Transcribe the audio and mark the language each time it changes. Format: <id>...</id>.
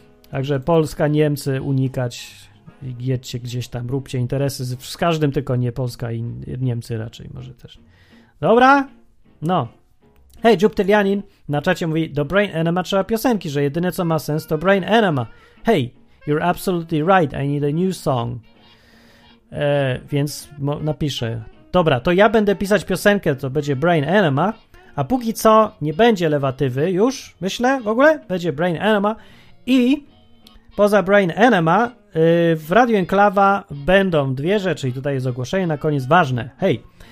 <pl>Także Polska, Niemcy, unikać, jedźcie gdzieś tam, róbcie interesy z każdym, tylko nie Polska i Niemcy raczej może też. Dobra? No. Hej, Dziubtylianin na czacie mówi, do Brain Enema trzeba piosenki, że jedyne co ma sens to Brain Enema.</pl> <en>Hey, you're absolutely right, I need a new song.</en> <pl>Więc napiszę. Dobra, to ja będę pisać piosenkę, to będzie Brain Enema, a póki co nie będzie lewatywy już, myślę, w ogóle, będzie Brain Enema i poza Brain Enema w Radiu Enklawa będą dwie rzeczy i tutaj jest ogłoszenie na koniec ważne. Hej.</pl>